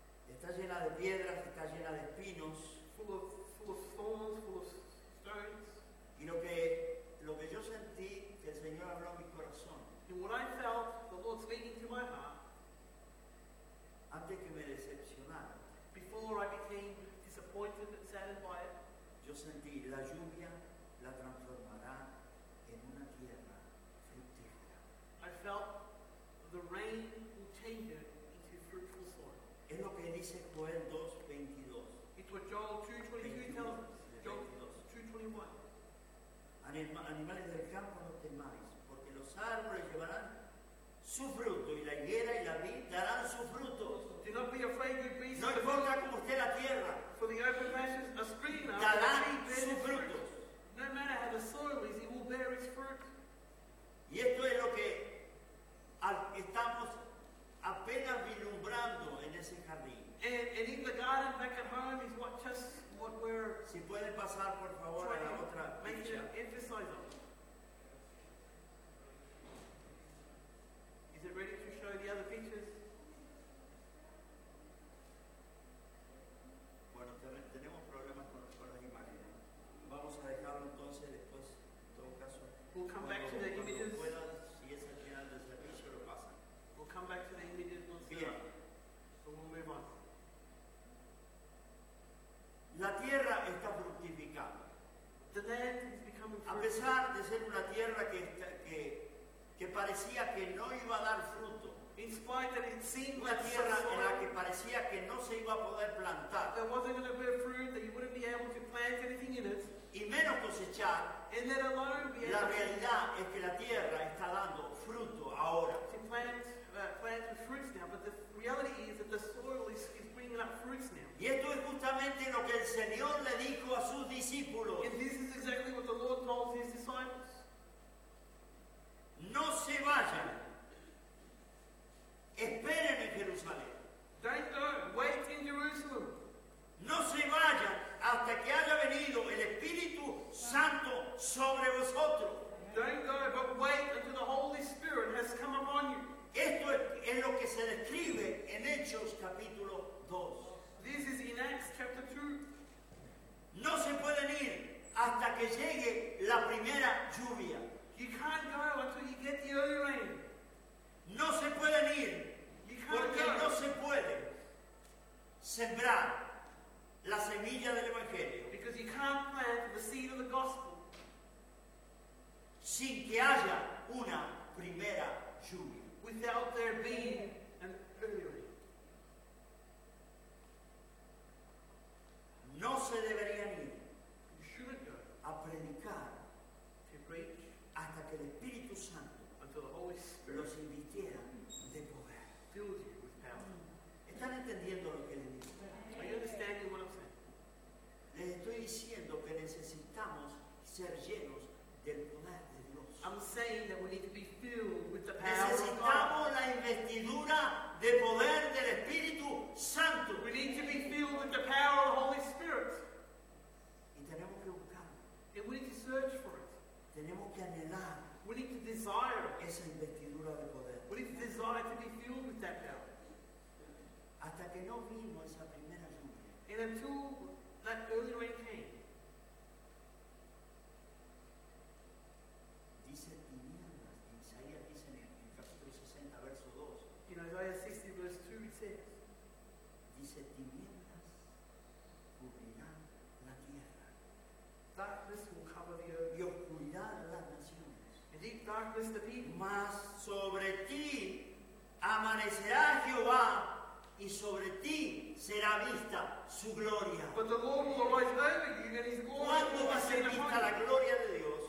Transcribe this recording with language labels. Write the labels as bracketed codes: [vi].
[es] Está llena de piedras, está llena de espinos. [en] Full of thorns, full of stones. [es] Y lo que yo sentí, que el Señor habló a mi corazón. [en] And what I felt, the Lord speaking to my heart. [es] Antes que me decepcionara. [en] Before I became disappointed and saddened by it. [es] Yo sentí, la lluvia la transformará en una tierra fructífera. [en] I felt the rain will change it into fruitful soil. [es] Es lo que dice Joel 2:22. [en] It's what Joel 2:22 tells us. Joel 2:21. [es] Animales del campo no temáis, porque los árboles llevarán su fruto, y la higuera y la vid darán su fruto. [en] Do not be afraid, good beasts. [es] No importa cómo esté la tierra. [en] For the open pastures are springing up. [es] Darán su fruto. [en] No matter how the soil is, it will bear its fruit. [es] Y esto es lo que estamos apenas vislumbrando en ese jardín. [en] And in the garden back at home is what just what we're. [es] Si puede pasar por favor a la otra [en] picture. Emphasize on. Is it ready to show the other pictures? [es] Bueno, tenemos problemas con las imágenes. Vamos a dejarlo entonces después, en todo caso. [en] We'll come back to the images. [es] Pueda, si es al final del servicio, lo pasa. [en] We'll come back to the images once again. So we'll move on. [es] La tierra está fructificando. [en] The land is becoming fruitful. [es] A pesar de ser una tierra que parecía que no iba a dar fruto. [en] In spite that it seemed [es] una tierra [en] so soil, [es] en la que parecía que no se iba a poder plantar. [en] There wasn't going to be fruit, that you wouldn't be able to plant anything in it. [es] Y menos cosechar. [en] And let alone be [es] la realidad es que la tierra está dando fruto ahora. [en] To plant fruits now, but the reality is that the soil is bringing up fruits now. [es] Y esto es justamente lo que el Señor le dijo a sus discípulos. [en] And this is exactly what the Lord told his disciples. [es] No se vayan. Esperen en Jerusalén. [en] Don't go. Wait in Jerusalem. [es] No se vayan hasta que haya venido el Espíritu Santo sobre vosotros. [en] Don't go, but wait until the Holy Spirit has come upon you. [es] Esto es lo que se describe en Hechos capítulo 2. [en] This is in Acts chapter 2. [es] No se pueden ir hasta que llegue la primera lluvia. [en] You can't go until you get the early rain. [es] No se pueden ir porque no se puede sembrar la semilla del Evangelio. [en] Because you can't plant the seed of the gospel [es] sin que haya una primera lluvia. [en] Without there being an early rain. [es] No se deberían ir. [en] You shouldn't go. [es] A predicar. [en] To preach. [es] Hasta que el Espíritu Santo los invitiera de poder. [en] Filled you with power. [es] ¿Están entendiendo lo que les digo? [en] Are you understanding what I'm saying? [es] Les estoy diciendo que necesitamos ser llenos del poder de Dios. [en] I'm saying that we need to be filled with the power [es] necesitamos la investidura de poder del Espíritu Santo. [en] We need to be filled with the power of the Holy Spirit. [es] Y tenemos que buscarlo. [en] And we need to search for it. [es] Tenemos que anhelar. [en] We need to desire [es] esa investidura de poder. [en] We need to desire to be filled with that power. [es] Hasta que no vimos esa primera lluvia. [en] And until that early rain came. [es] Dice tinieblas. En Isaías dice en el capítulo 60, verso 2. [en] In Isaiah 60, verse 2, it says. [es] Dice tinieblas cubrirán la tierra. [en] Darkness will cover the earth. [es] Y oscuridad las naciones. [en] A deep darkness the people. [es] Mas sobre ti amanecerá Jehová y sobre ti será vista su gloria. [en] But the Lord will arise over you and his glory. [es] ¿Cuándo va a ser vista la gloria de Dios?